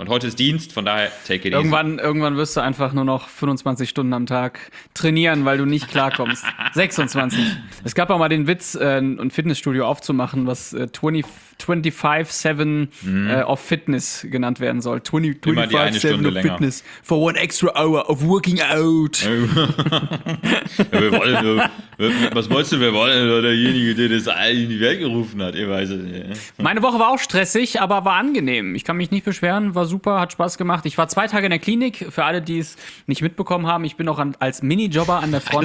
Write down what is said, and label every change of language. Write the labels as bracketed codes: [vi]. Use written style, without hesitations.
[de] Und heute ist Dienst, von daher [en] take it easy. [de] Irgendwann wirst du einfach nur noch 25 Stunden am Tag trainieren, weil du nicht klarkommst. 26. Es gab auch mal den Witz, ein Fitnessstudio aufzumachen, was 25-7 of Fitness genannt werden soll. 25-7 [en] of Fitness for one extra hour of working out. [de] Ja, wir wollen, was wolltest du, wir wollen? Derjenige, der das in die Welt gerufen hat, ihr weiß es. Meine Woche war auch stressig, aber war angenehm. Ich kann mich nicht beschweren, war super, hat Spaß gemacht. Ich war 2 Tage in der Klinik, für alle, die es nicht mitbekommen haben. Ich bin auch als Minijobber an der Front.